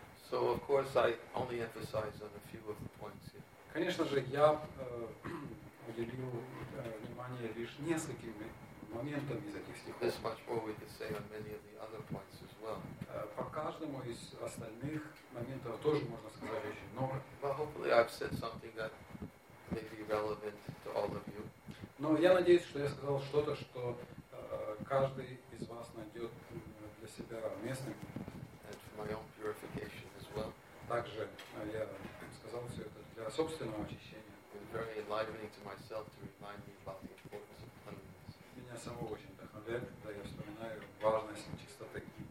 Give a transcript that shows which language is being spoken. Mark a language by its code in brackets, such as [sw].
[en] So of course I only emphasize on a few of the points here. [ru] Конечно же, я уделил внимание лишь нескольким моментам из этих стихов. [en] There's much more we can say on many of the other points as well. [ru] По каждому из остальных моментов тоже можно сказать очень много. [en] But hopefully I've said something that may be relevant to all of you. [ru] Но я надеюсь, что я сказал что-то, что каждый из вас найдет для себя местным. [en] And for my own purification as well. [ru] Также я сказал все это для собственного очищения. [en] It's very enlightening to myself to remind me about the importance of cleanliness. [ru] Меня самого очень вдохновляет, когда я вспоминаю важность чистоты.